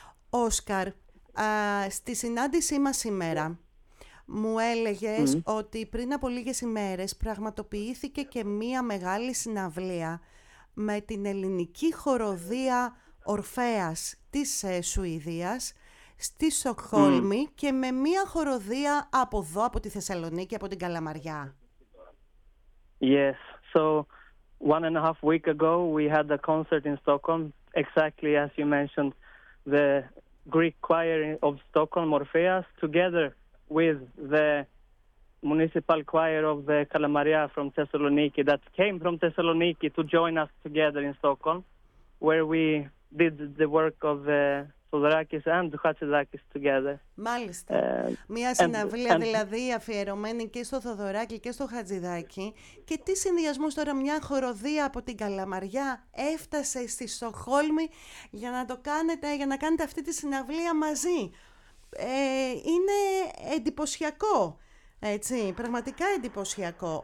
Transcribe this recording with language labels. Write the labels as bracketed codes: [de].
[el] Όσκαρ, στη συνάντησή μας σήμερα μου έλεγες ότι πριν από λίγες ημέρες πραγματοποιήθηκε και μία μεγάλη συναυλία με την ελληνική χοροδία Ορφέας της Σουηδίας στη Στοκχόλμη και με μία χοροδία από εδώ, από τη Θεσσαλονίκη, από την Καλαμαριά. [en] Yes, so 1.5 weeks ago we had a concert in Stockholm, exactly as you mentioned, the Greek choir of Stockholm, Orpheas, together with the municipal choir of the Kalamaria from Thessaloniki, that came from Thessaloniki to join us together in Stockholm, where we did the work of the Thodorakis and the Hatzidakis together. [el] Μάλιστα. Μια συναυλία δηλαδή αφιερωμένη και στο Θοδωράκη και στο Χατζηδάκη. Και τι συνδυασμός τώρα, μια χοροδία από την Καλαμαριά έφτασε στη Στοκχόλμη για να το κάνετε, για να κάνετε αυτή τη συναυλία μαζί. Είναι εντυπωσιακό. Έτσι, πραγματικά εντυπωσιακό.